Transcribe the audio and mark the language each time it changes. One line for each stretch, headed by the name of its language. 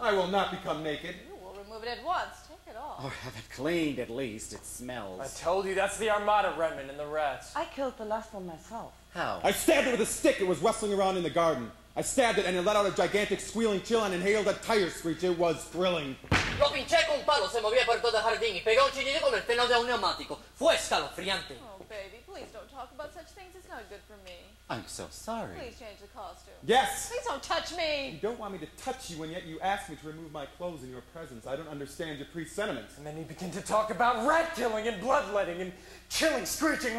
English: I will not become naked. You will remove it at once. Take it off. Or have it cleaned, at least. It smells. I told you, that's the Armada Redman and the rats. I killed the last one myself. How? I stabbed it with a stick. It was rustling around in the garden. I stabbed it, and it let out a gigantic squealing chill and inhaled a tire screech. It was thrilling.
Spanish: Lo pinché con un palo, se movía por todo el jardín, y pegó un chillido con el freno de un neumático. Fue escalofriante.
English: Oh, baby, please don't talk about such things. It's not good for me. I'm so sorry. Please change the costume. Yes! Please don't touch me! You don't want me to touch you, and yet you ask me to remove my clothes in your presence. I don't understand your presentiments. And then you begin to talk about rat killing and bloodletting and chilling, screeching.